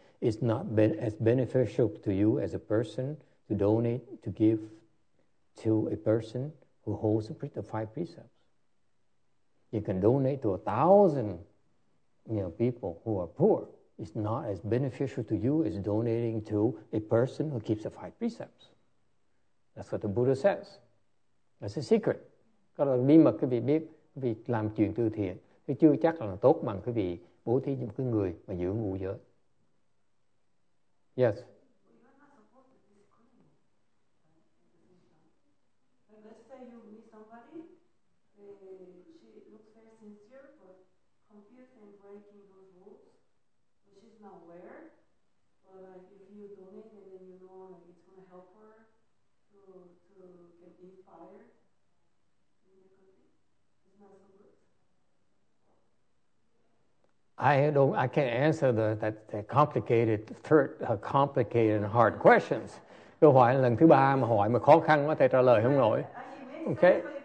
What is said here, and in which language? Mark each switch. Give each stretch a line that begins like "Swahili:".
English: It's not as beneficial to you as a person to donate, to give, to a person who holds the five precepts. You can donate to 1,000, you know, people who are poor. It's not as beneficial to you as donating to a person who keeps the five precepts. That's what the Buddha says. That's a secret.
Vietnamese: Có là bí mật quý vị biết, quý vị làm chuyện từ thiện, thì chưa chắc là tốt bằng quý vị bố thí cho một người mà giữ ngũ giới.
English: Yes. I can't answer the complicated third complicated and hard questions.
Vietnamese: Câu hỏi lần thứ ba mà hỏi mà khó khăn quá, thầy trả lời không nổi. Okay.